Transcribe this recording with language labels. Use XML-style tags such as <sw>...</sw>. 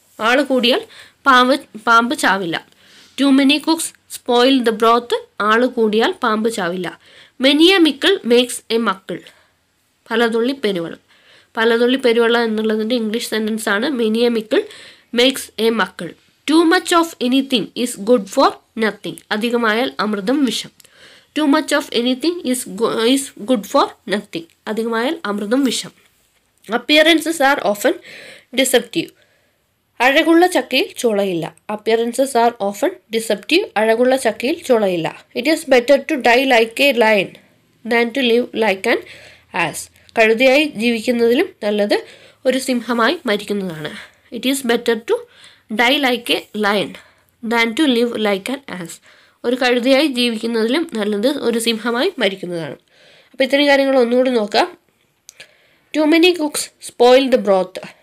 <ml>ആള് കൂടിയാൽ പാമ്പ് ചാവില്ല.</ml> <en>Too many cooks spoil the broth.</en> <ml>ആള് കൂടിയാൽ പാമ്പ് ചാവില്ല.</ml> <en>Many a mickle makes a muckle.</en> <ml>പലതുള്ളി പെരുവെള്ളം. പലതുള്ളി പെരുവെള്ളം എന്നുള്ളതിൻ്റെ ഇംഗ്ലീഷ് സെൻറ്റൻസ് ആണ്</ml> <en>Many a mickle makes a muckle. Too much of anything is good for nothing.</en> <ml>Adhigamayal amrutham visham.</ml> <en>Too much of anything is good for nothing.</en> <ml>Adhigamayal amrutham visham.</ml> <en>Appearances are often deceptive.</en> <ml>Azhagulla chakkil cholayilla.</ml> <en>Appearances are often deceptive.</en> <ml>Azhagulla chakkil cholayilla.</ml> <en>It is better to die like a lion than to live like an ass.</en> <ml>കഴുതയായി ജീവിക്കുന്നതിലും നല്ലത് ഒരു സിംഹമായി മരിക്കുന്നതാണ്.</ml> <en>It is better to die like a lion than to live like an ass.</en> <ml>ഒരു കഴുതയായി ജീവിക്കുന്നതിലും നല്ലത് ഒരു സിംഹമായി മരിക്കുന്നതാണ്. അപ്പോൾ ഇത്രയും കാര്യങ്ങൾ ഒന്നുകൂടി നോക്കാം.</ml> <en>Too many cooks spoil the broth.</en>